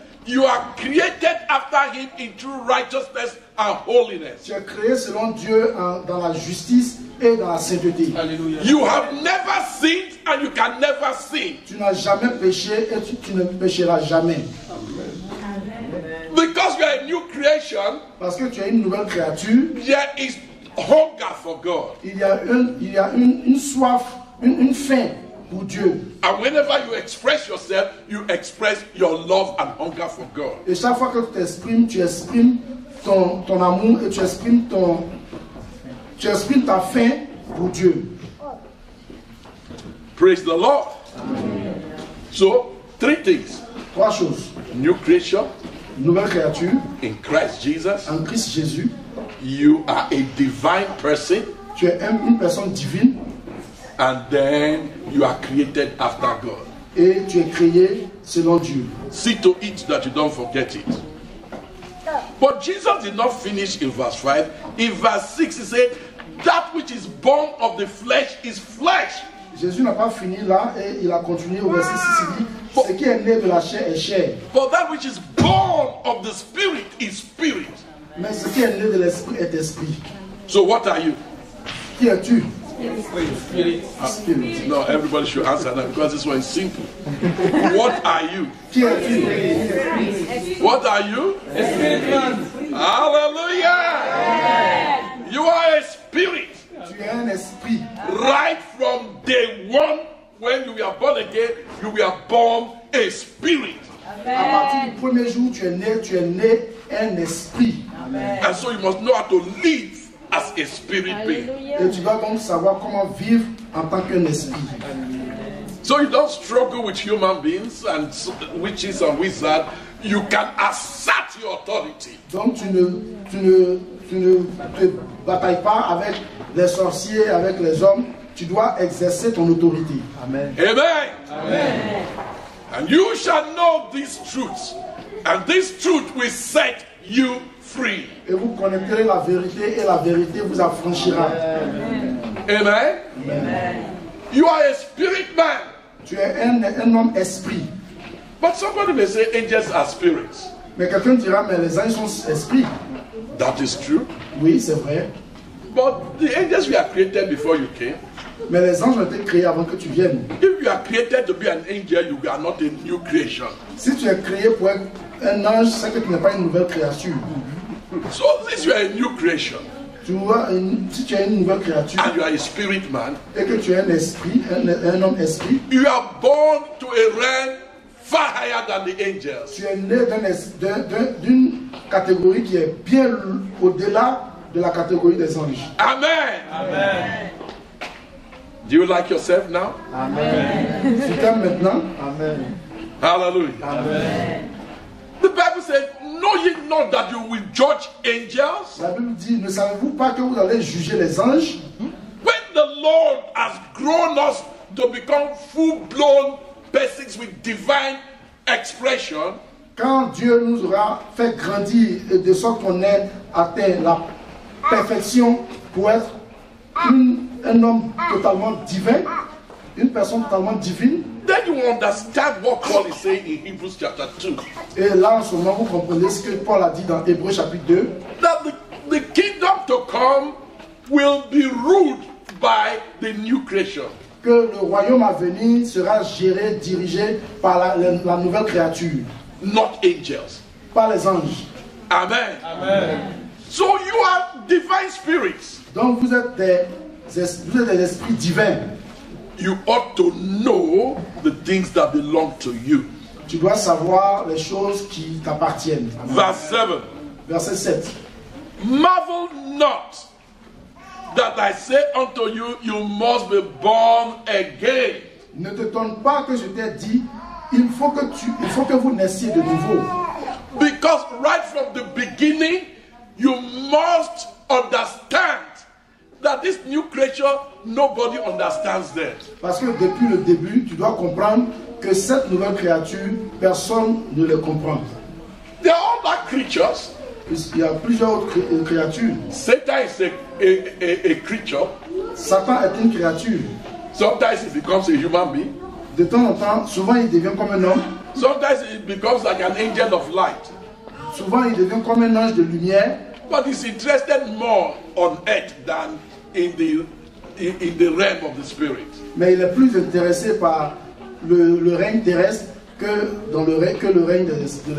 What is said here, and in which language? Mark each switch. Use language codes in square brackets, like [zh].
[en] You are created after Him in true righteousness and holiness. [fr] Tu es créé selon Dieu dans la justice et dans la sainteté. Alléluia. [en] You have never sinned and you can never sin. [fr] Tu n'as jamais péché et tu ne pécheras jamais. [en] Because you are a new creation, [fr] parce que tu es une nouvelle créature, [en] there is hunger for God. [fr] Il y a une soif, une faim pour Dieu. [en] And whenever you express yourself, you express your love and hunger for God. [fr] Et chaque fois que tu exprimes ton amour et tu exprimes ta faim pour Dieu. [en] Praise the Lord. Amen. So, three things. [fr] Trois choses. [en] New creation. [fr] Nouvelle créature. [en] In Christ Jesus. [fr] En Christ Jésus. [en] You are a divine person. [fr] Tu es une personne divine. [en] And then you are created after God. [fr] Et tu es créé selon Dieu. [en] See to it that you don't forget it. But Jesus did not finish in verse 5. In verse 6 he said, that which is born of the flesh is flesh. [fr] Jésus n'a pas fini là et il a continué au verset 6. Il dit, ce qui est né de la chair est chair. [en] For that which is born of the spirit is spirit. [fr] Mais ce qui est né de l'esprit est esprit. [en] So what are you? [fr] Qui es-tu? [en] Spirit. No, everybody should answer that because this one is simple. What are you? [fr] Qui es-tu? [en] What are you? A spirit man. Hallelujah! Amen. You are a spirit. [fr] Tu es un esprit. [en] Right from day one, when you are born again, you are born a spirit. Amen. [fr] À partir du premier jour, tu es né un esprit. Amen. [en] And so you must know how to live as a spirit being. [fr] Et tu dois donc savoir comment vivre en tant qu'un esprit. Amen. [en] So you don't struggle with human beings and witches and wizards. You can assert your authority. [fr] Donc tu ne te batailles pas avec les sorciers, avec les hommes. Tu dois exercer ton autorité. Amen. Amen. Amen. [en] And you shall know these truths. And this truth will set you free. [fr] Et vous connaîtrez la vérité et la vérité vous affranchira. Amen. Amen. Amen. [en] You are a spirit man. [fr] Tu es un homme esprit. [en] But somebody may say angels are spirits. [fr] Mais quelqu'un dira, mais les anges sont esprits. [en] That is true. [fr] Oui, c'est vrai. [en] But the angels were created before you came. [fr] Mais les anges ont été créés avant que tu viennes. [en] If you are created to be an angel, you are not a new creation. [fr] Si tu es créé pour être un ange, c'est que tu n'es pas une nouvelle créature. [en] So since you are a new creation. [fr] Tu vois, si tu es une nouvelle créature. [en] And you are a spirit man. [fr] Et que tu es un esprit, un homme esprit. [en] You are born to a realm far higher than the angels. [fr] Tu es né d'une catégorie qui est bien au-delà de la catégorie des anges. Amen. Amen. [en] Do you like yourself now? Amen. [fr] Tu t'aimes maintenant? Amen. [en] Hallelujah. Amen. The Bible says, know ye not that you will judge angels? [fr] La Bible dit, ne savez-vous pas que vous allez juger les anges? [en] When the Lord has grown us to become full-blown persons with divine expression, [fr] quand Dieu nous aura fait grandir de sorte qu'on ait atteint la perfection pour être un homme totalement divin, une personne totalement divine. [en] Then you understand what Paul is saying in Hebrews chapter 2. [fr] Et là en ce moment vous comprenez ce que Paul a dit dans Hébreux chapitre 2. [en] That the kingdom to come will be ruled by the new creation. [fr] Que le royaume à venir sera géré, dirigé par la nouvelle créature. [en] Not angels. [fr] Pas les anges. Amen. Amen. [en] So you are divine spirits. [fr] Donc vous êtes des esprits divins. [en] You ought to know the things that belong to you. [fr] Tu dois savoir les choses qui t'appartiennent. [en] Verse 7. [fr] Verset 7. [en] Marvel not that I say unto you, you must be born again. [fr] Ne t'étonne pas que je t'ai dit, il faut que vous naissiez de nouveau. [en] Because right from the beginning, you must understand that this new creature, nobody understands that. [fr] Parce que depuis le début, tu dois comprendre que cette nouvelle créature, personne ne le comprend. [en] They are all bad creatures. [fr] Il y a plusieurs autres créatures. [en] Satan is a creature. [fr] Satan est une créature. [en] Sometimes he becomes a human being. [fr] De temps en temps, souvent il devient comme un homme. [en] Sometimes he becomes like an angel of light. [fr] Souvent il devient comme un ange de lumière. [en] But he's interested more on earth than in the realm of the spirit. [fr] Mais il est plus intéressé par le règne terrestre que dans le règne de l'esprit.